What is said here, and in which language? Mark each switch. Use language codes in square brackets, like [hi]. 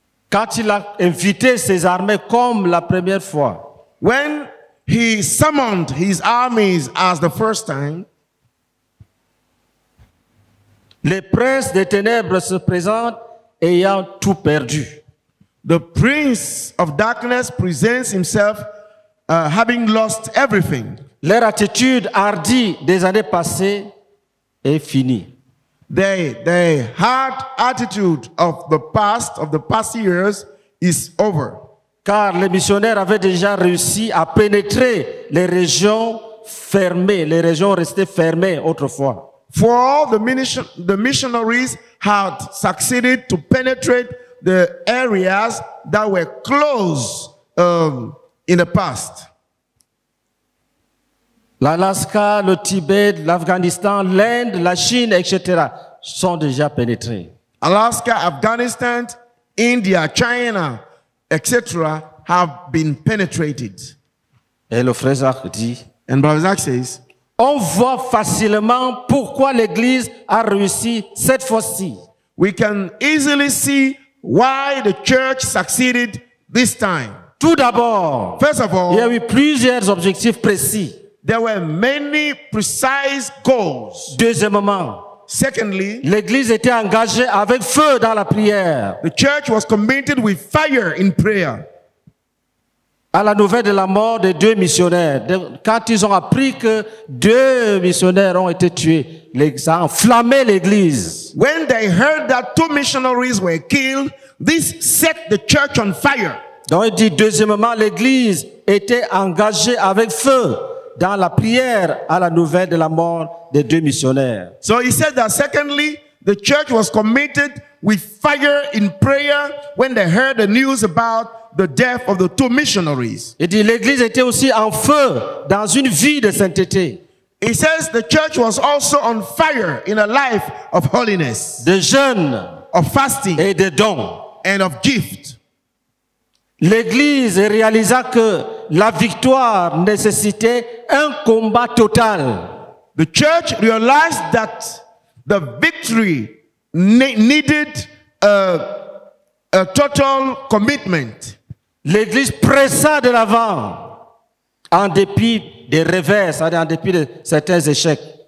[fr] quand il a invité ses armées comme la première fois, [en] when he summoned his armies as the first time, [fr] les princes des ténèbres se présentent ayant tout perdu. [en] The prince of darkness presents himself having lost everything. [fr] Leur attitude hardie des années passées est finie. [en] The hard attitude of the past years is over. [fr] Car les missionnaires avaient déjà réussi à pénétrer les régions fermées, les régions restées fermées autrefois. [en] For all the missionaries had succeeded to penetrate the areas that were closed in the past. [fr] L'Alaska, le Tibet, l'Afghanistan, l'Inde, la Chine, etc. sont déjà pénétrés. [en] Alaska, Afghanistan, India, China, etc. have been penetrated. [fr] Et le frère Zach dit, [en] and Brother Zach says, [fr] on voit facilement pourquoi l'Église a réussi cette fois-ci. [en] We can easily see why the church succeeded this time. [fr] Tout d'abord, [en] first of all, [fr] il y a eu plusieurs objectifs précis. [en] There were many precise goals. [fr] Deuxièmement, [en] secondly, [fr] l'Église était engagée avec feu dans la prière. [en] The church was committed with fire in prayer. [fr] À la nouvelle de la mort des deux missionnaires, quand ils ont appris que deux missionnaires ont été tués, ça a enflammé l'Église. [en] When they heard that two missionaries were killed, this set the church on fire. [fr] Donc il dit, deuxièmement, l'Église était engagée avec feu dans la prière à la nouvelle de la mort des deux missionnaires. [en] So he said that secondly, the church was committed with fire in prayer when they heard the news about the death of the two missionaries. [fr] Et dit, l'Église était aussi en feu dans une vie de sainteté. [en] He says the church was also on fire in a life of holiness, [fr] de jeûne, [en] of fasting, [fr] et de dons, [en] and of gift. [fr] L'église réalisa que la victoire nécessitait un combat total. [en] The church realized that the victory needed a total commitment. [fr] L'église pressa de l'avant en dépit des revers, en dépit de certains échecs.